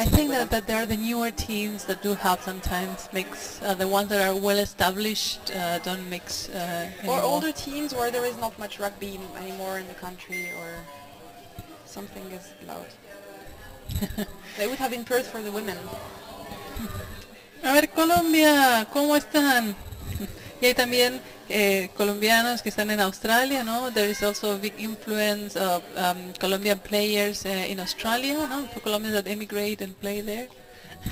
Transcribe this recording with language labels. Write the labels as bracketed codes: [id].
[en] I think that there are the newer teams that do have sometimes mix. The ones that are well established don't mix. Or older teams where there is not much rugby anymore in the country or something is allowed. They would have been Perth for the women. [es] A ver, Colombia, ¿cómo están? Y hay también colombianos que están en Australia, ¿no? [en] There is also a big influence of Colombian players in Australia, ¿no? For Colombians that emigrate and play there.